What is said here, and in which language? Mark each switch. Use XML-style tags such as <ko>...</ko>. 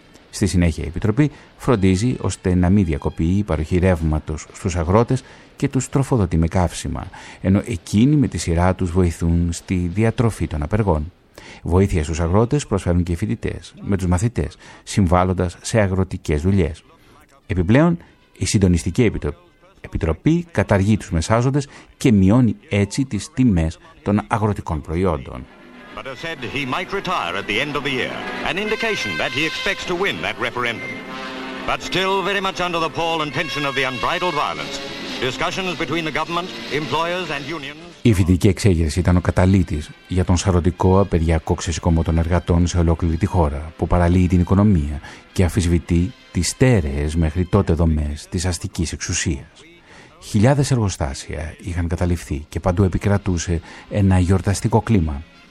<el>Στη συνέχεια η Επιτροπή φροντίζει ώστε να μην διακοπεί η παροχή ρεύματος στους αγρότες και τους τροφοδοτεί με καύσιμα, ενώ εκείνοι με τη σειρά τους βοηθούν στη διατροφή των απεργών. Βοήθεια στους αγρότες προσφέρουν και οι φοιτητές, με τους μαθητές, συμβάλλοντας σε αγροτικές δουλειές. Επιπλέον, η Συντονιστική Επιτροπή καταργεί τους μεσάζοντες και μειώνει έτσι τις τιμές των αγροτικών προϊόντων.</el> <en>But has said he might retire at the end of the year, an indication that he expects to win that referendum. But still very much under the pall and tension of the unbridled violence, discussions between the government, employers and unions...</en> <el>Η φοιτητική εξέγερση ήταν ο καταλύτης για τον σαρωτικό απεργιακό ξεσηκωμό των εργατών σε ολόκληρη τη χώρα, που παραλύει την οικονομία και αφισβητεί τις στέρεες μέχρι τότε δομές της αστικής εξουσίας. Χιλιάδες εργοστάσια είχαν καταληφθεί και παντού επικρατούσε ένα γιορταστικό κλίμα.</el>